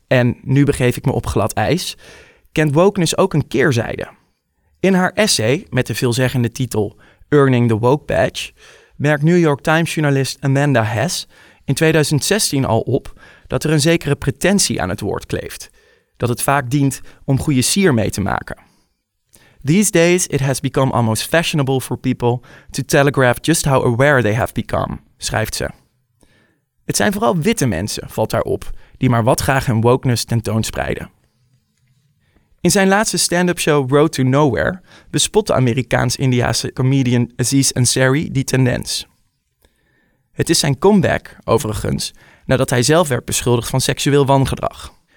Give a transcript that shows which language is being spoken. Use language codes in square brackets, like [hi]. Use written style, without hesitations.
[nl] En nu begeef ik me op glad ijs, kent wokeness ook een keerzijde. In haar essay met de veelzeggende titel Earning the Woke Badge merkt New York Times journalist Amanda Hess in 2016 al op dat er een zekere pretentie aan het woord kleeft, dat het vaak dient om goede sier mee te maken. [en] These days it has become almost fashionable for people to telegraph just how aware they have become, [nl] schrijft ze. Het zijn vooral witte mensen, valt haar op, die maar wat graag hun wokeness tentoonspreiden. In zijn laatste stand-up show Road to Nowhere bespotte Amerikaans-Indiaanse comedian Aziz Ansari die tendens. Het is zijn comeback, overigens, nadat hij zelf werd beschuldigd van seksueel wangedrag.